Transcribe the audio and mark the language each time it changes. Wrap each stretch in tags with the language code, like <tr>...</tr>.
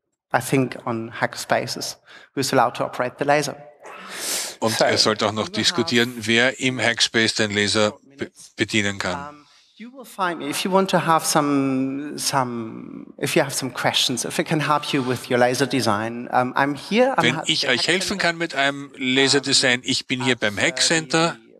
<en>I think on Hackerspaces, who is allowed to operate the laser?</en> <de>Und er sollte auch noch diskutieren, wer im Hackspace den Laser bedienen kann.</de> <en>You will find me if you want to have some if you have some questions, if I can help you with your laser design. I'm here.</en> <de>Wenn ich euch helfen kann mit einem Laserdesign, ich bin hier beim Hack Center.</de>